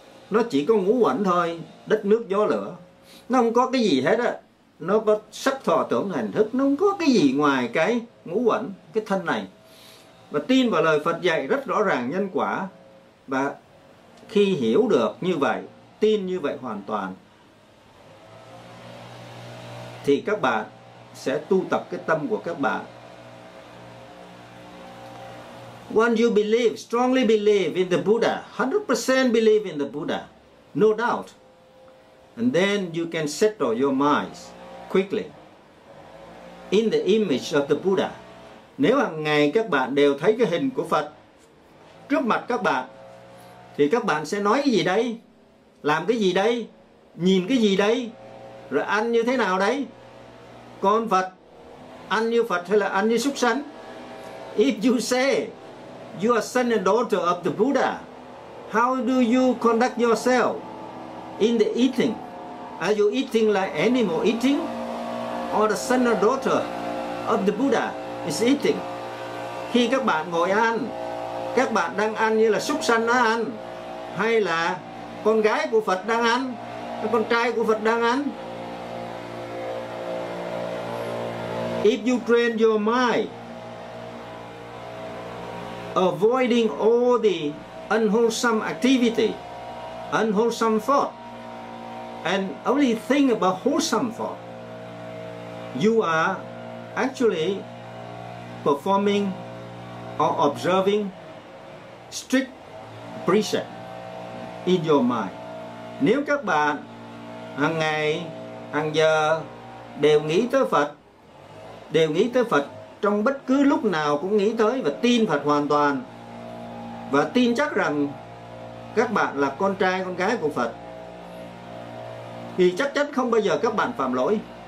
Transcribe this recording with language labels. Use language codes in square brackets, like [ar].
[vi] nó chỉ có ngũ uẩn thôi, đất nước gió lửa, nó không có cái gì hết á, nó có sắc thọ tưởng hành thức, nó không có cái gì ngoài cái ngũ uẩn, cái thân này. Và tin vào lời Phật dạy rất rõ ràng nhân quả, và khi hiểu được như vậy, tin như vậy hoàn toàn, thì các bạn sẽ tu tập cái tâm của các bạn. [en] When you believe, strongly believe in the Buddha, 100% believe in the Buddha, no doubt, and then you can settle your mind quickly in the image of the Buddha. [vi] Nếu hằng ngày các bạn đều thấy cái hình của Phật trước mặt các bạn, thì các bạn sẽ nói cái gì đây, làm cái gì đây, nhìn cái gì đây, rồi ăn như thế nào đấy, con Phật ăn như Phật hay là ăn như súc sanh. [en] If you say you are son and daughter of the Buddha, how do you conduct yourself in the eating? Are you eating like animal eating, or the son or daughter of the Buddha is eating? [vi] Khi các bạn ngồi ăn, các bạn đang ăn như là súc sanh nó ăn, hay là con gái của Phật đang ăn, con trai của Phật đang ăn? [en] If you train your mind avoiding all the unwholesome activity, unwholesome thought, and only think about wholesome thought, you are actually performing or observing strict precept in your mind. [vi] Nếu các bạn hàng ngày, hàng giờ đều nghĩ tới Phật, đều nghĩ tới Phật, trong bất cứ lúc nào cũng nghĩ tới và tin Phật hoàn toàn, và tin chắc rằng các bạn là con trai, con gái của Phật, thì chắc chắn không bao giờ các bạn phạm lỗi.